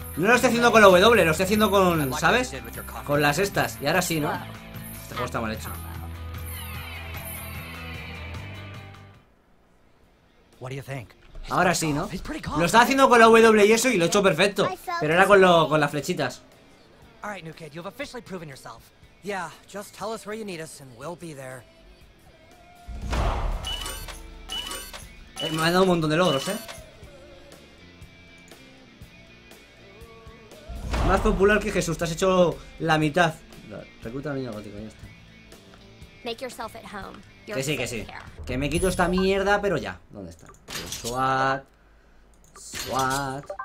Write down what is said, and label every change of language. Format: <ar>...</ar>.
<es>No lo estoy haciendo con la W, lo estoy haciendo con, ¿sabes? Con las estas. Y ahora sí, ¿no? Este juego está mal hecho.</es> <en>What do you think?</en> <es>Ahora sí, ¿no? Lo estaba haciendo con la W y eso y lo he hecho perfecto. Pero era con, con las flechitas.</es> <en>All right, new kid, you've officially proven yourself. Yeah, just tell us where you need us and we'll be there.</en> <es>Me ha dado un montón de logros, eh. Más popular que Jesús, te has hecho la mitad. Recruta al niño gótico, ya está.</es> <en>Make yourself at home.</en> <es>Que sí, que sí. Que me quito esta mierda, pero ya. ¿Dónde está? SWAT. SWAT.</es>